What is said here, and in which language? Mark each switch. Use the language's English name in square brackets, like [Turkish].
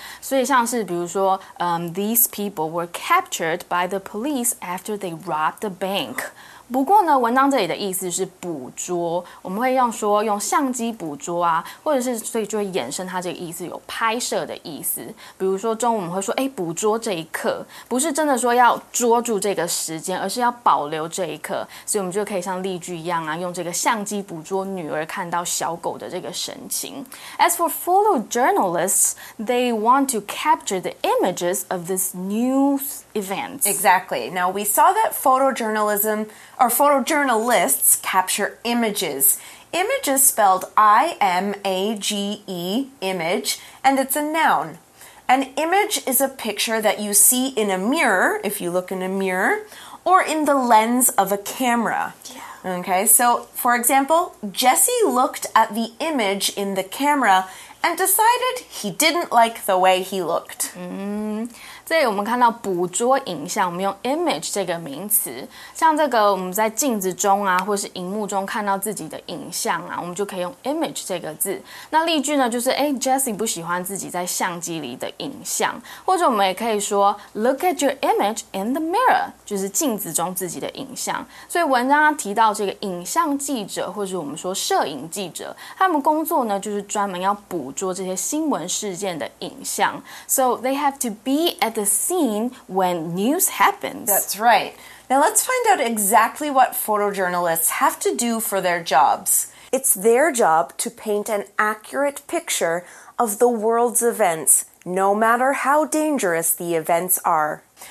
[Chinese] 所以像是比如说、 [English] these people were captured by the police after they robbed the bank. [Chinese] 不过呢，文章这里的意思是捕捉，我们会用说用相机捕捉啊，或者是所以就会衍生它这个意思有拍摄的意思。比如说中午我们会说，哎，捕捉这一刻，不是真的说要捉住这个时间，而是要保留这一刻。所以我们就可以像例句一样啊，用这个相机捕捉女儿看到小狗的这个神情。 [English] As for photojournalists, they want to capture the images of this news event. Exactly. Now we saw that photojournalists capture images. Image is spelled I-M-A-G-E, image, and it's a noun. An image is a picture that you see in a mirror, if you look in a mirror, or in the lens of a camera. Yeah. Okay, so for example, Jesse looked at the image in the camera and decided he didn't like the way he looked. Mm-hmm. [Chinese] 所以我们看到捕捉影像，我们用 image 这个名词，像这个我们在镜子中啊，或是荧幕中看到自己的影像啊，我们就可以用 image 这个字。那例句呢，就是哎 ，Jesse 不喜欢自己在相机里的影像，或者我们也可以说 [English] look at your image in the mirror， [Chinese] 就是镜子中自己的影像。所以文章提到这个影像记者，或者我们说摄影记者，他们工作呢就是专门要捕捉这些新闻事件的影像。 [English] So they have to be at the scene when news happens. That's right. Now let's find out exactly what photojournalists have to do for their jobs. It's their job to paint an accurate picture of the world's events, no matter how dangerous the events are.